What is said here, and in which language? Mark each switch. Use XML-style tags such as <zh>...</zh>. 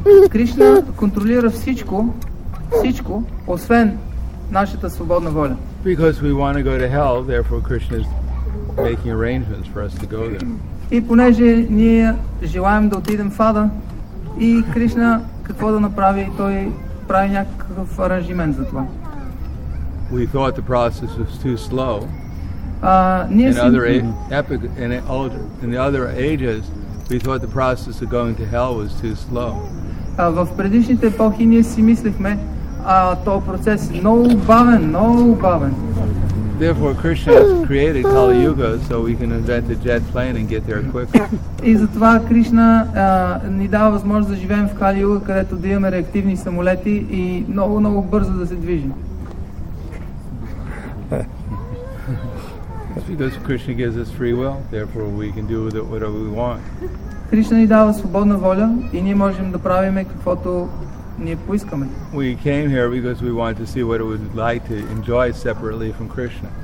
<bg>Кришна контролира всичко, освен нашата свободна воля.</bg> <en>Because we want to go to hell, therefore Krishna is making arrangements for us to go there.</en> <bg>И понеже ние желаем да отидем в ада, и Кришна какво да направи, той прави някакъв аранжимент за това.</bg> <en>We thought the process was too slow. In the other ages, we thought the process of going to hell was too slow.</en> <bg>В предишните епохи ние си мислихме, този процес е много бавен.</bg> <en>therefore Krishna has created Kali Yuga so we can invent the jet plane and get there quicker.</en> <bg>И затова Кришна ни дава възможност да живеем в Кали Юга, където да имаме реактивни самолети и много много бързо да се движим.</bg> <en>Because Krishna gives us free will, therefore we can do with it whatever we want.</en> <bg>Кришна ни дава свободна воля и ние можем да правим каквото ние поискаме.</bg> <en>We came here because we wanted to see what it would like to enjoy separately from Krishna.</en>